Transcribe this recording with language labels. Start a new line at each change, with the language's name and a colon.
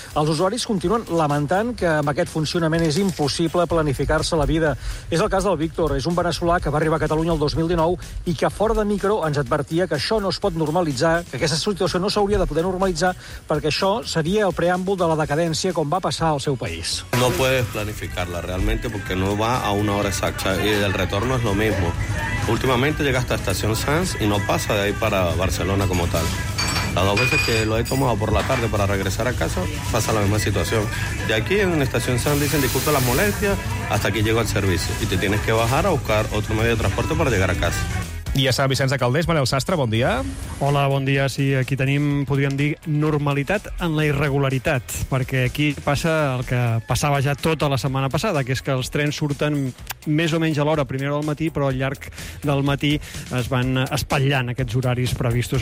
Catalan: Els usuaris continuen lamentant que amb aquest funcionament és impossible planificar-se la vida. És el cas del Víctor. És un veneçolà que va arribar a Catalunya el 2019 i que fora de micro ens advertia que això no es pot normalitzar puntualitzar que aquesta situació no s'hauria de poder normalitzar perquè això seria el preàmbul de la decadència com va passar al seu país.
Spanish: No puedes planificarla realmente porque no va a una hora exacta y el retorno es lo mismo. Últimamente llega hasta Estación Sanz y no pasa de ahí para Barcelona como tal. Las dos veces que lo he tomado por la tarde para regresar a casa, pasa la misma situación. De aquí en Estación San dicen, disculpa las molestias, hasta aquí llego al servicio. Y te tienes que bajar a buscar otro medio de transporte para llegar a casa.
Catalan: I a Sant Vicenç de Calders, Manel Sastre, bon dia. Hola, bon dia. Sí, aquí tenim, podríem dir, normalitat en la irregularitat, perquè aquí passa el que passava ja tota la setmana passada, que és que els trens surten més o menys a l'hora, primera hora del matí, però al llarg del matí es van espatllant aquests horaris previstos.